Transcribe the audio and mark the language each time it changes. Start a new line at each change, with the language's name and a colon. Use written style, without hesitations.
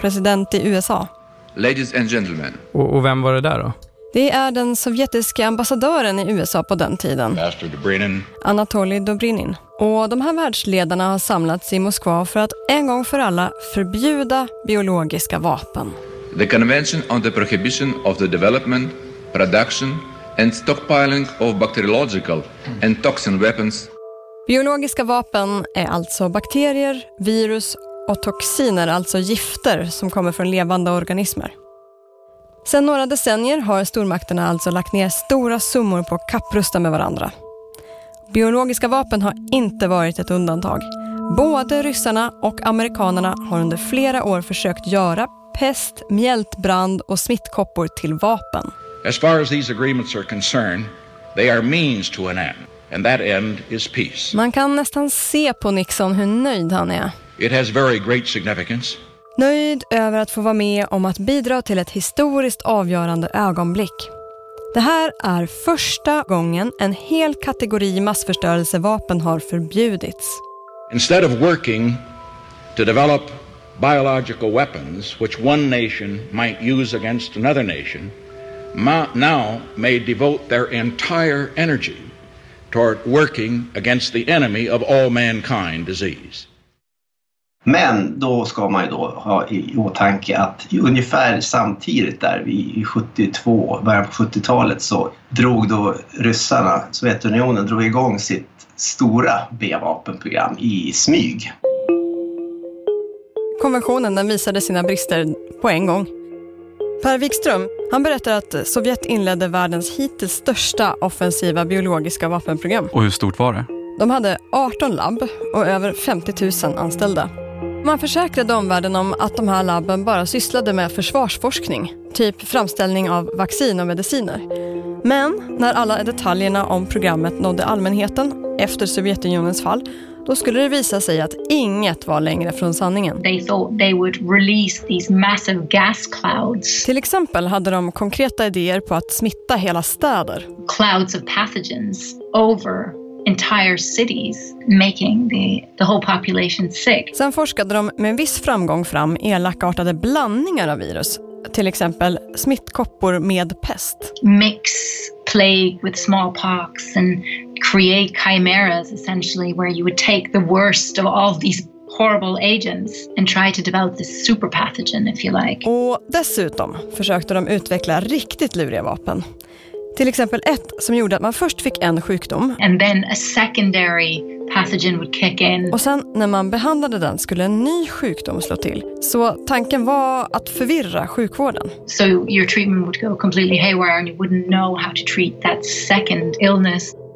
Swedish: President i USA.
English: Ladies and gentlemen.
Swedish: Och vem var det där då? Det är den sovjetiska ambassadören i USA på den tiden, Anatolij Dobrynin. Och de här världsledarna har samlats i Moskva för att en gång för alla förbjuda biologiska vapen.
English: The Convention on the Prohibition of the Development, Production and Stockpiling of Bacteriological and Toxin Weapons.
Swedish: Biologiska vapen är alltså bakterier, virus och toxiner, alltså gifter som kommer från levande organismer. Sedan några decennier har stormakterna alltså lagt ner stora summor på att kapprusta med varandra. Biologiska vapen har inte varit ett undantag. Både ryssarna och amerikanerna har under flera år försökt göra pest, mjältbrand och smittkoppor till vapen.
English: As far as these agreements are concerned, they are means to an end, and that end is peace.
Swedish: Man kan nästan se på Nixon hur nöjd han är.
English: It has very great significance.
Swedish: Nöjd över att få vara med om att bidra till ett historiskt avgörande ögonblick. Det här är första gången en hel kategori massförstörelsevapen har förbjudits.
English: Instead of working to develop biological weapons which one nation might use against another nation, now may devote their entire energy toward working against the enemy of all mankind disease.
Swedish: Men då ska man ju då ha i åtanke att ungefär samtidigt där vid 72, början på 70-talet, så drog då ryssarna, Sovjetunionen, drog igång sitt stora B-vapenprogram i smyg. Konventionen, den visade sina brister på en gång. Per Wikström, han berättar att Sovjet inledde världens hittills största offensiva biologiska vapenprogram. Och hur stort var det? De hade 18 labb och över 50 000 anställda. Man försäkrade omvärlden om att de här labben bara sysslade med försvarsforskning, typ framställning av vaccin och mediciner. Men när alla detaljerna om programmet nådde allmänheten efter Sovjetunionens fall, då skulle det visa sig att inget var längre från sanningen.
English: They thought they would release these massive gas clouds.
Swedish: Till exempel hade de konkreta idéer på att smitta hela städer.
English: Clouds of pathogens over entire cities, making the whole population sick.
Swedish: Sen forskade de med viss framgång fram elakartade blandningar av virus, till exempel smittkoppor med pest.
English: Mix plague with smallpox and create chimeras, essentially, where you would take the worst of all these horrible agents and try to develop this super pathogen, if you like.
Swedish: Och dessutom försökte de utveckla riktigt luriga vapen. Till exempel ett som gjorde att man först fick en sjukdom.
English: And then a secondary pathogen would kick in.
Swedish: Och sen när man behandlade den skulle en ny sjukdom slå till. Så tanken var att förvirra sjukvården.
English: So your treatment would go completely haywire and you wouldn't know how to treat that second illness.